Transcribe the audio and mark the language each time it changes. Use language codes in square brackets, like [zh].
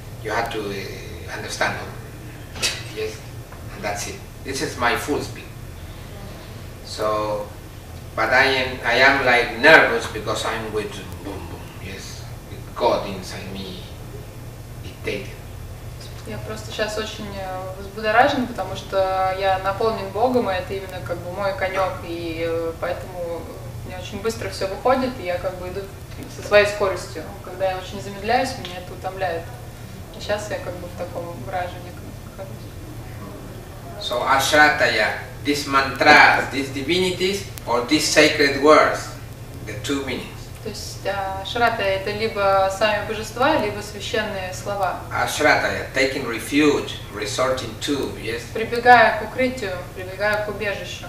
[en] You have to understand. Yes, and that's it. This is my full speed. So, but I am like nervous because I'm with boom, boom, yes, with God inside me dictating. [ru] Я просто сейчас очень взбудоражен, потому что я наполнен Богом, и это именно как бы мой конек, и поэтому мне очень быстро все выходит, и я как бы иду со своей скоростью. Когда я очень замедляюсь, меня это утомляет. И сейчас я как бы в таком враже нехожусь. [en] So Ашратая, these mantras, these divinities, or these sacred words, the two meanings. [ru] То есть ашратая это либо сами божества, либо священные слова. [en] Ашратая, taking refuge, resorting to, yes. [ru] Прибегая к укрытию, прибегая к убежищу.